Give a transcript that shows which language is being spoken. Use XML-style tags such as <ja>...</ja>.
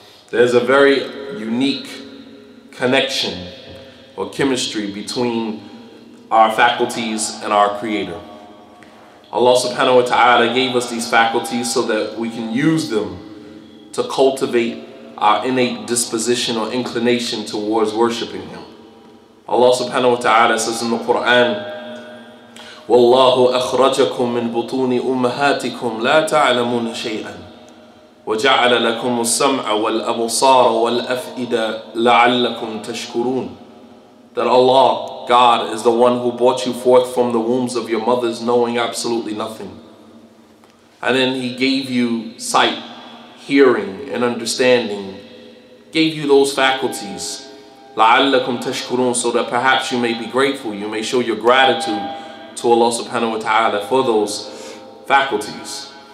<en>There's a very unique connection or chemistry between our faculties and our Creator. Allah subhanahu wa ta'ala gave us these faculties so that we can use them to cultivate our innate disposition or inclination towards worshiping Him. Allah subhanahu wa ta'ala says in the Quran,</en> <ar>وَاللَّهُ أَخْرَجَكُم مِّن بُطُونِ أُمَّهَاتِكُمْ لَا تَعْلَمُونَ شَيْئًا وَجَعَلَ لَكُمُ السَّمْعَ وَالْأَبُصَارَ وَالْأَفْئِدَ لَعَلَّكُمْ تَشْكُرُونَ.</ar> <en>That Allah, God, is the one who brought you forth from the wombs of your mothers knowing absolutely nothing. And then He gave you sight, hearing, and understanding, gave you those faculties,</en> <ar>لَعَلَّكُمْ تَشْكُرُونَ,</ar> <en>so that perhaps you may be grateful, you may show your gratitude to Allah subhanahu wa ta'ala for those faculties.</en>